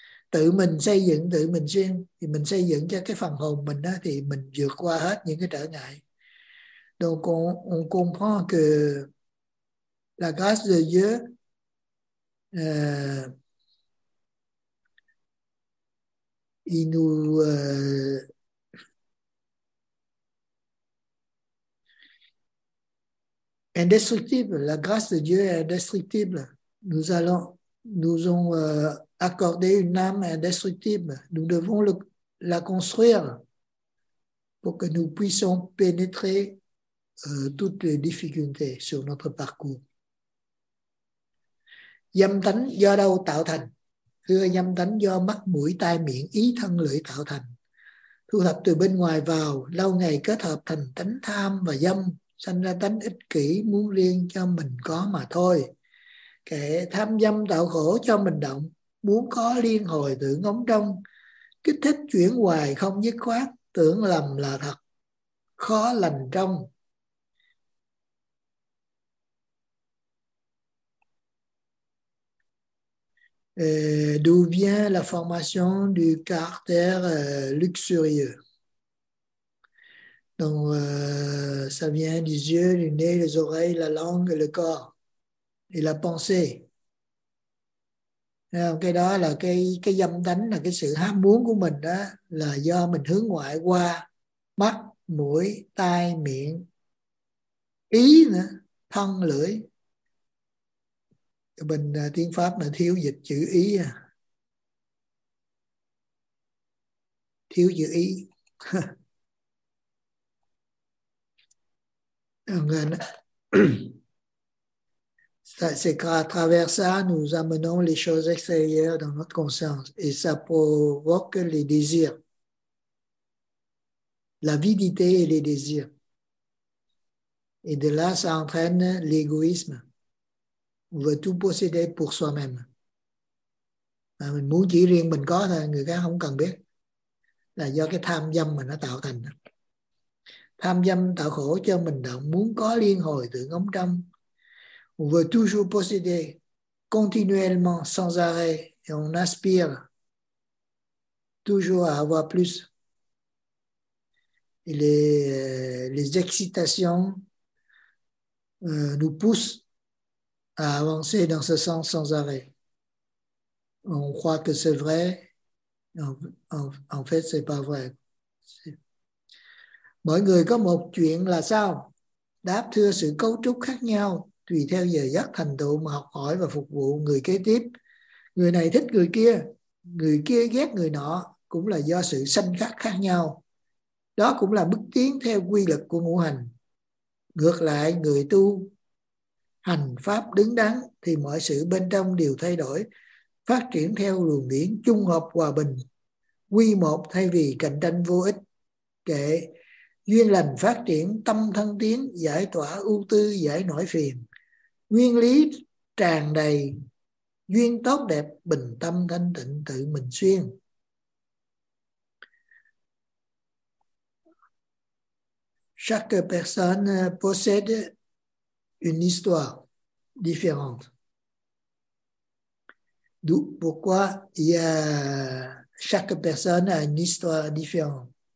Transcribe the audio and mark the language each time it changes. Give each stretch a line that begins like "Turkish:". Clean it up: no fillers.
Vietnamese: Tự mình xây dựng, tự mình xuyên, thì mình xây dựng cho cái phần hồn mình á, thì mình vượt qua hết những cái trở ngại.
French: Donc on comprend que la grâce de Dieu il nous indestructible, la grâce de Dieu est indestructible. Nous ont accordé une âme indestructible. Nous devons la construire pour que nous puissions pénétrer toutes les difficultés sur notre parcours.
Vietnamese: Dâm tánh do đâu tạo thành? Thưa, dâm tánh do mắt, mũi, tai, miệng, ý, thân, lưỡi tạo thành. Thu thập từ bên ngoài vào, lâu ngày kết hợp thành tánh tham và dâm, sanh ra tánh ích kỷ, muốn riêng cho mình có mà thôi. Kẻ tham dâm tạo khổ cho mình động, muốn có liên hồi tưởng ngóng trong, kích thích chuyển hoài không dứt khoát, tưởng lầm là thật, khó lành trong.
French: D'où vient la formation du caractère luxurieux? Donc, ça vient des yeux, du nez, les oreilles, la langue, le corps et la pensée.
Vietnamese: Alors, cái đó là cái dâm tánh, là cái sự ham muốn của mình đó, là do mình hướng ngoại qua mắt, mũi, tai, miệng, ý nữa, thân, lưỡi. Bình tiếng Pháp là thiếu dịch chữ ý. Thiếu chữ ý.
French: C'est qu'à travers ça, nous amenons les choses extérieures dans notre conscience et ça provoque les désirs. L'avidité et les désirs. Et de là, ça entraîne l'égoïsme. On veut tout posséder pour soi-même.
Vietnamese: À, mình muốn chỉ riêng mình có thôi, người khác không cần biết. Là do cái tham dâm mà nó tạo thành. Tham dâm tạo khổ cho mình động, muốn có liên hồi từ ngóng trong.
French: On veut toujours posséder continuellement, sans arrêt. Et on aspire toujours à avoir plus. Et les excitations nous poussent à avancer dans ce sens sans arrêt. On croit que c'est vrai, en fait c'est pas vrai.
Vietnamese: Mỗi người có một chuyện là sao? Đáp, thưa, sự cấu trúc khác nhau tùy theo giờ giấc, thành tựu mà học hỏi và phục vụ người kế tiếp. Người này thích người kia ghét người nọ, cũng là do sự sanh khắc khác nhau. Đó cũng là bước tiến theo quy luật của ngũ hành. Ngược lại, người tu hành pháp đứng đắn thì mọi sự bên trong đều thay đổi, phát triển theo luồng điển trung hợp hòa bình, quy một thay vì cạnh tranh vô ích. Kệ, duyên lành phát triển, tâm thân tiến, giải tỏa ưu tư, giải nỗi phiền, nguyên lý tràn đầy, duyên tốt đẹp, bình tâm thanh tịnh, tự mình xuyên.
French: Chaque personne possède une histoire différente. D'où, pourquoi il y a chaque personne a une histoire différente.